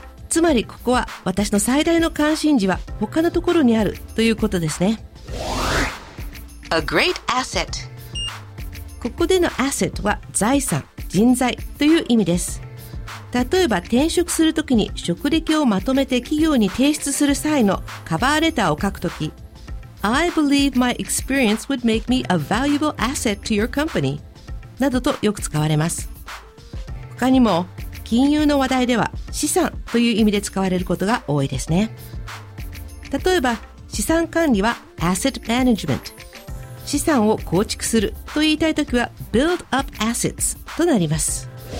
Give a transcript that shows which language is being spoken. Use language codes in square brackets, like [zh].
[ja] つまりここは私の最大の関心事は他のところにあるということですね。 [en] A great asset。 [ja] ここでのアセットは財産、人材という意味です。例えば転職するときに職歴をまとめて企業に提出する際のカバーレターを書くとき、 [en] I believe my experience would make me a valuable asset to your company [ja] などとよく使われます。他にも金融の話題では資産という意味で使われることが多いですね。例えば資産管理はアセットマネジメント、資産を構築すると言いたいときは Build up assets となります。